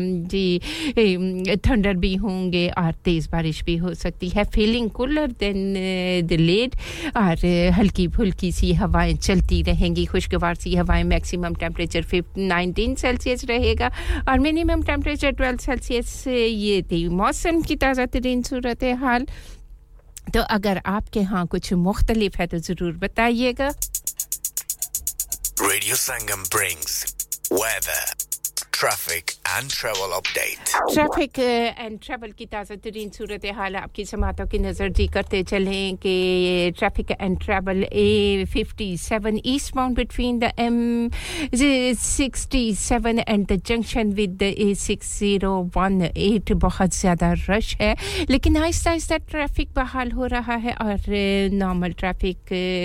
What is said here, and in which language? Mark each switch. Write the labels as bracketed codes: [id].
[ur] جی thunder بھی ہوں گے اور تیز بارش بھی ہو سکتی ہے [en] feeling cooler than the late [ur] اور ہلکی پھلکی سی ہوائیں چلتی رہیں گی خوشگوار سی ہوائیں میکسیمم ٹیمپریچر 19 سیلسیس رہے گا اور منیمم ٹیمپریچر 12 سیلسیس یہ تھی موسم کی تازہ ترین صورت حال تو اگر آپ کے ہاں کچھ مختلف ہے تو ضرور بتائیے گا [en] Radio Sangam brings weather, traffic and travel update. Traffic and travel [ur] کی تازہ ترین صورتحال آپ کی سماعتوں کی نظر جی کرتے چلیں کہ [en] traffic and travel A57 eastbound between the M67 and the junction with the A6018 [ur] بہت زیادہ rush ہے لیکن آہستہ آہستہ traffic بحال ہو رہا ہے اور normal traffic